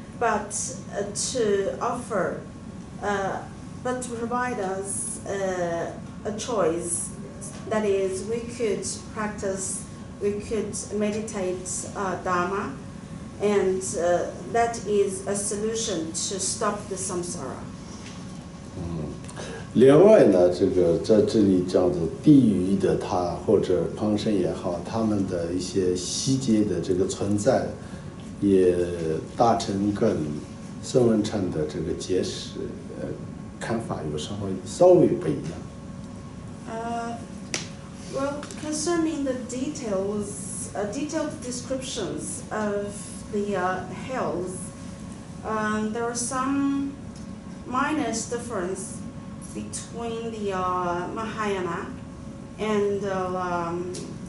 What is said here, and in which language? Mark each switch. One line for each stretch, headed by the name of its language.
English: But to offer, but to provide us a choice. That is, we could practice, we could meditate Dharma, and that is a solution to stop the samsara.
Chinese: 另外呢，这个在这里叫做地狱的他或者旁生也好，他们的一些细节的这个存在，也大成跟僧文禅的这个解释看法有稍微不一样。
English: Well, concerning the details, detailed descriptions of the hells, there are some minor difference between the Mahayana and the